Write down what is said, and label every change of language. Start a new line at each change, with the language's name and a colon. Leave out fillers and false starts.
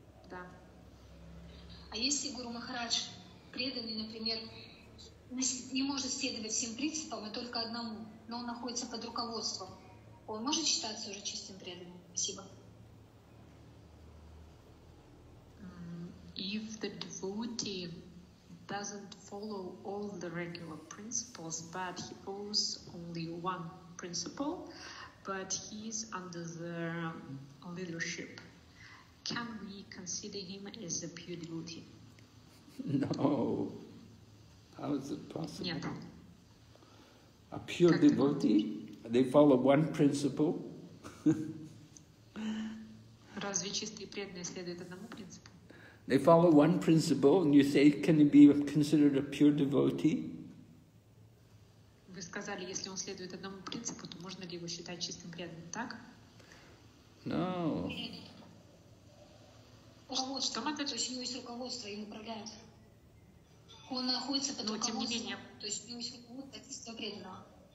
Russian: Да. А если Гуру Махарадж преданный, например, не может следовать всем принципам, а только одному, но он находится под руководством, он может считаться уже чистым преданным? Спасибо.
English: If the devotee doesn't follow all the regular principles, but he follows only one principle, but he is under the leadership, can we consider him as a pure devotee? No. How is it possible?
Russian: Нет.
English: A pure как devotee? They follow one principle?
Russian: Разве чистые преданные следуют одному принципу?
English: They follow one principle, and you say, can he be considered a pure devotee?
Russian: Вы сказали, если он следует одному принципу, то можно ли его считать чистым преданным, так?
English: No.
Russian: Руководство, то есть у него есть руководство, им управляет. Он находится под руководством. Но тем не менее. То есть у него есть руководство чистого преданного.